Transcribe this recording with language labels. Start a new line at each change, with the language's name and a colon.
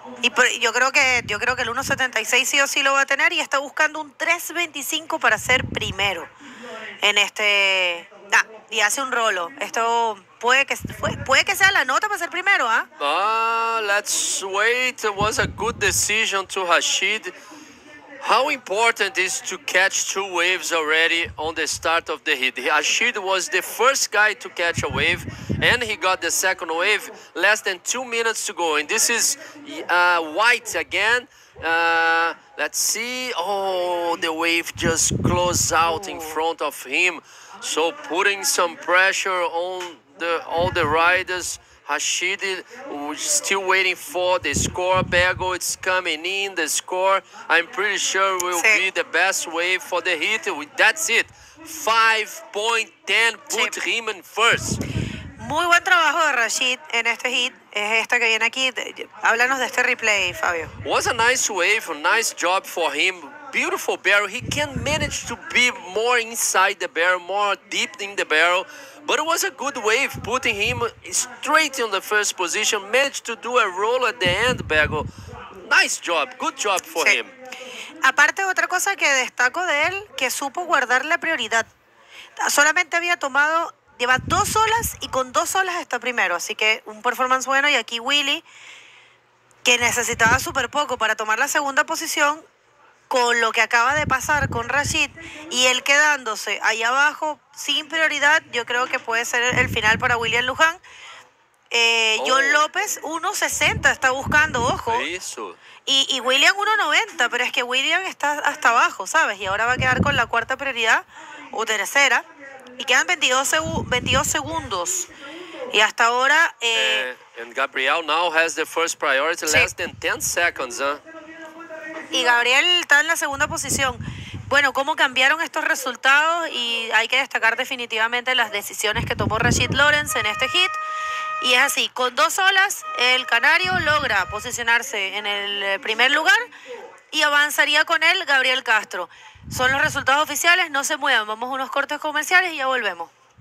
Spanish: Y yo creo que el 1.76 sí o sí lo va a tener, y está buscando un 3.25 para ser primero en este. Y hace un rolo. Esto puede que sea la nota para ser primero, ¿ah?
English: Let's wait. It was a good decision to Rashid. How important is to catch two waves already on the start of the heat? Rashid was the first guy to catch a wave, and he got the second wave less than 2 minutes to go. And this is white again. Let's see. Oh, the wave just closed out in front of him. So putting some pressure on all the riders. Rashid still waiting for the score. Bego, it's coming in, the score. I'm pretty sure will be the best wave for the heat. That's it. 5.10, put him in first.
Spanish: Muy buen trabajo de Rashid en este hit. Es esta que viene aquí. Háblanos de este replay, Fabio.
English: Was a nice wave, a nice job for him. Beautiful barrel. He can manage to be more inside the barrel, more deep in the barrel. But it was a good wave, putting him straight in the first position. Managed to do a roll at the end, Bego. Nice job. Good job for him.
Spanish: Aparte, otra cosa que destaco de él, que supo guardar la prioridad. Solamente había tomado, lleva dos olas y con dos olas está primero. Así que un performance bueno. Y aquí Willy, que necesitaba súper poco para tomar la segunda posición, con lo que acaba de pasar con Rashid y él quedándose ahí abajo sin prioridad, yo creo que puede ser el final para William Luján. John López, 1.60, está buscando, ojo. Eso. Y William, 1.90, pero es que William está hasta abajo, ¿sabes? Y ahora va a quedar con la cuarta prioridad o tercera. Y quedan 22 segundos. Y hasta ahora.
English: And Gabriel now has the first priority, less than 10 seconds, ¿eh?
Spanish: Y Gabriel está en la segunda posición. Bueno, ¿cómo cambiaron estos resultados? Y hay que destacar definitivamente las decisiones que tomó Rashid Lawrence en este hit. Y es así, con dos olas el canario logra posicionarse en el primer lugar y avanzaría con él Gabriel Castro. Son los resultados oficiales, no se muevan, vamos a unos cortes comerciales y ya volvemos.